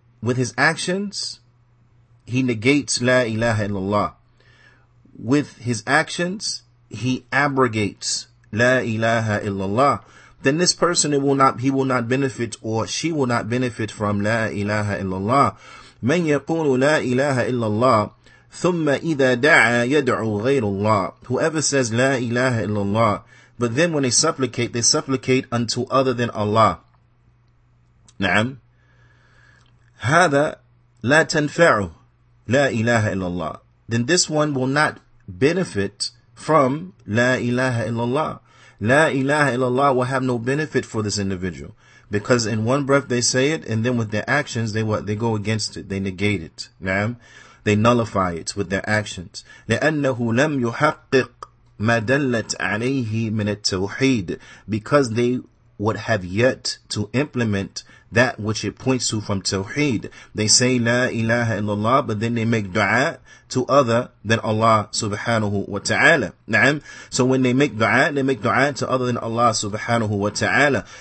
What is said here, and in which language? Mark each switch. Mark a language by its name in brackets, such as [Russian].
[English] With his actions, he negates La ilaha illallah. With his actions, he abrogates La ilaha illallah. Then this person, he will not benefit, or she will not benefit from La ilaha illallah. [Arabic] من يقول لا إله إلا الله ثم إذا دعا يدعو غير الله. [English] Whoever says La ilaha illallah, but then when they supplicate unto other than Allah. [Arabic] نعم. هذا لا تنفعه لا إله إلا الله. [English] Then this one will not benefit from لا إله إلا الله. لا إله إلا الله will have no benefit for this individual. Because in one breath they say it, and then with their actions, they go against it. They negate it. [Arabic] نعم. [English] They nullify it with their actions. [Arabic] لأنه لم يحقق ما دلت عليه من التوحيد. [English] Because they would have yet to implement that which it points to from Tawheed. They say La ilaha illallah, but then they make dua to other than Allah subhanahu wa ta'ala. Na'am. So when they make dua to other than Allah subhanahu wa ta'ala.